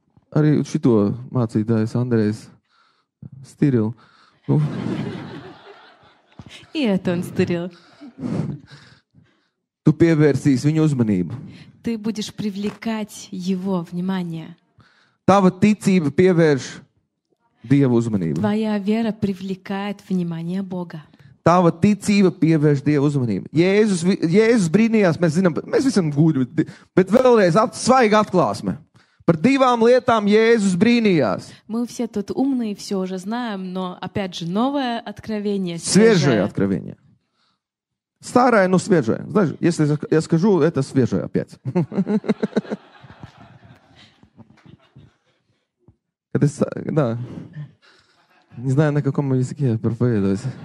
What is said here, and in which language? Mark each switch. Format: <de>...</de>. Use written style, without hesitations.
<lv>Arī šito mācītājs Andrejs Stirilu.</lv> <ru>И это он стырил.</ru> <lv>Tu pievērsīs viņu uzmanību.</lv> <ru>Ты будешь привлекать его внимание.</ru> <lv>Tava ticība pievērš Dievu uzmanību.</lv> <ru>Твоя вера привлекает внимание Бога.</ru> <lv>Tava ticība pievērš Dievu uzmanību. Jēzus brīnījās, mēs zinām, mēs visam gūļi, bet vēlreiz svaiga atklāsme. Par divām lietām Jēzus brīnījās.</lv> <ru>Мы все тут умные, все уже знаем, но опять же новое откровение. Свежее откровение. Старое, но свежее. Знаешь, если я скажу, это свежее опять. Это, да. Не знаю, на каком языке я проповедуюсь.</ru>